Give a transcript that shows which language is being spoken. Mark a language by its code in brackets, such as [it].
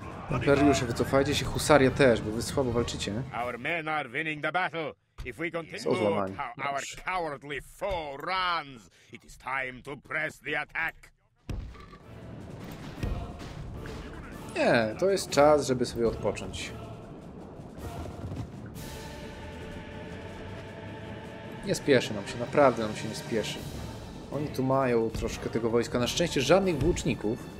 [pl] Imperiusze, wycofajcie się, husaria też, bo wy słabo walczycie. [en] Our men are winning the battle. If we continue, our cowardly foe runs. It is time to press the attack. [pl] Nie, to jest czas, żeby sobie odpocząć. Nie spieszy nam się, naprawdę nam się nie spieszy. Oni tu mają troszkę tego wojska, na szczęście żadnych włóczników.